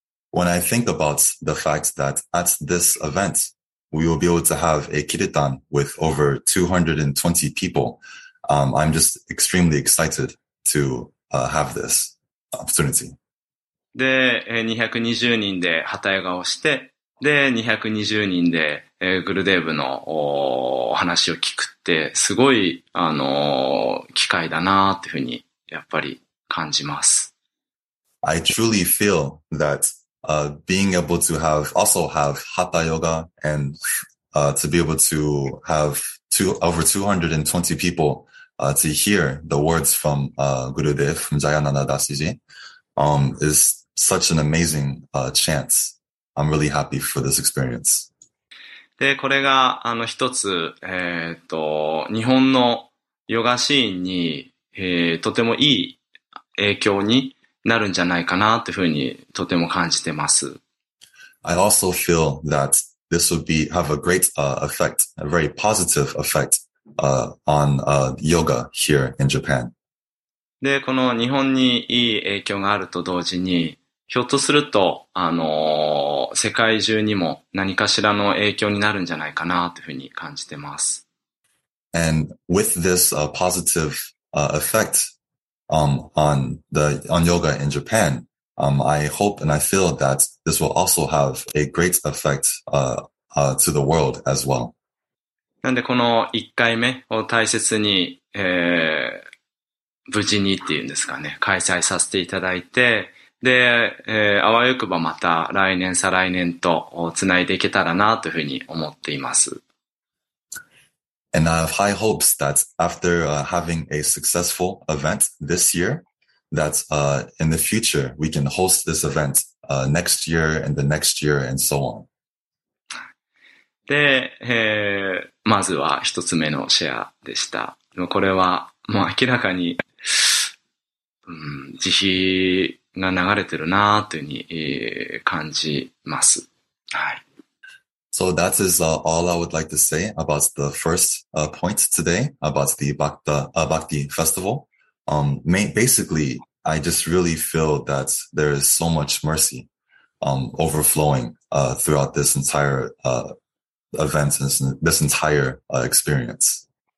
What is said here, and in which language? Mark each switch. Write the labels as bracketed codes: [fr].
[en] When I think about the fact that at this event, we will be able to have a kirtan with over 220 people, I'm just extremely excited to have this opportunity. [ja] で、220人でハタヨガをして、で、220人で、グルデーブの、話を聞くって、すごい、機会だなっていうふうに、やっぱり感じます。 [en] I truly feel that, being able to have, also have Hatha Yoga and, to be able to have over 220 people, to hear the words from, Gurudev, from Jayananadasiji, is such an amazing, chance. I'm really happy for this experience. [ja] で、これが、一つ、日本のヨガシーンに、とてもいい影響になるんじゃないかな、というふうに、とても感じてます。 [en] I also feel that this would be, have a great effect, a very positive effect on yoga here in Japan. [ja] で、この日本にいい影響があると同時に、ひょっとすると、世界中にも何かしらの影響になるんじゃないかなというふうに感じてます。 [en] And with this positive effect on yoga in Japan, I hope and I feel that this will also have a great effect to the world as well. [ja] なんでこの1回目を大切に、無事にっていうんですかね、開催させていただいて、で、あわよくばまた来年再来年とつないでいけたらなというふうに思っています。 [en] And I have high hopes that after having a successful event this year, that in the future we can host this event next year and the next year and so on. [ja] で、まずは一つ目のシェアでした。これはもう明らかに、慈悲が流れてるなというふうに感じます。はい。 [en] So that is all I would like to say about the first point today about the Bhakti festival. Basically, I just really feel that there is so much mercy overflowing throughout this entire event and this entire experience.